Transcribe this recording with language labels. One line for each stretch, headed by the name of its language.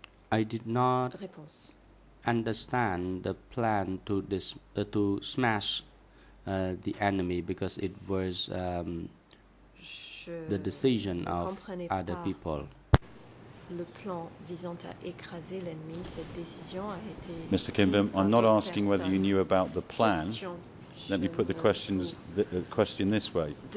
English: I did not understand the plan to to smash the enemy because it was the decision of other people.
French: Le plan visant à écraser l'ennemi, cette décision a été.
English: Mr. Kimbem, I'm not asking whether you knew about the plan. Let me put the questions question this way.